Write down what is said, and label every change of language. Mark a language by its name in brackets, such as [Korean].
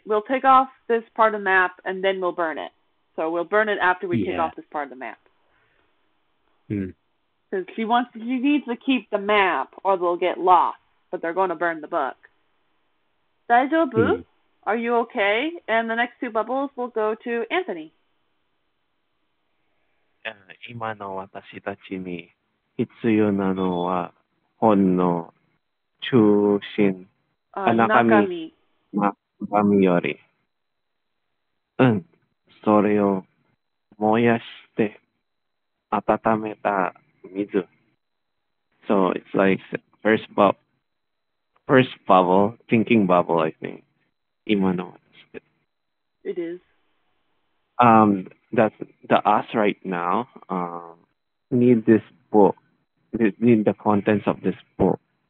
[English] We'll take off this part of the map and then we'll burn it. So we'll burn it after we take off this part of the map. Because she needs to keep the map or they'll get lost, but they're going to burn the book. [Japanese] Daijoubu? [English] Mm. Are you okay? And the next two bubbles will go to Anthony. [Japanese] 今の私たちに必要なのは本の中心、中身より。うん、それを燃やして温めた水。 [English] So it's like first bubble, thinking bubble, I think. [Japanese] 今の私たち。 [English] It is. That's the us right now need this book, need the contents of this book.